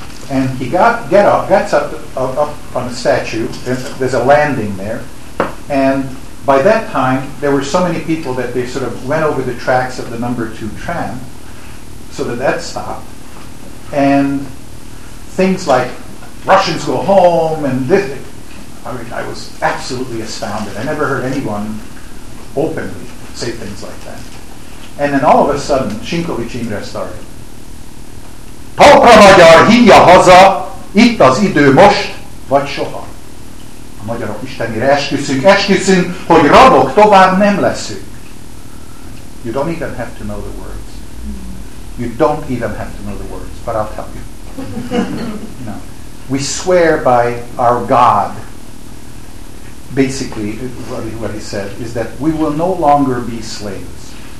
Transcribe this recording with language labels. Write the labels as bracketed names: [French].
[English] And he gets up on the statue, and there's a landing there, and by that time, there were so many people that they sort of went over the tracks of the number 2 tram, so that stopped, and things like Russians go home, and this. I mean, I was absolutely astounded. I never heard anyone openly say things like that. And then all of a sudden, Shinkovich Imre started. [Hungarian] Talpra magyar, hívja haza, itt az idő most, vagy soha. A magyarok istenére esküszünk, hogy rabok tovább nem leszünk. [English] You don't even have to know the words. You don't even have to know the words, but I'll tell you. No. We swear by our God. Basically, what he said is that we will no longer be slaves.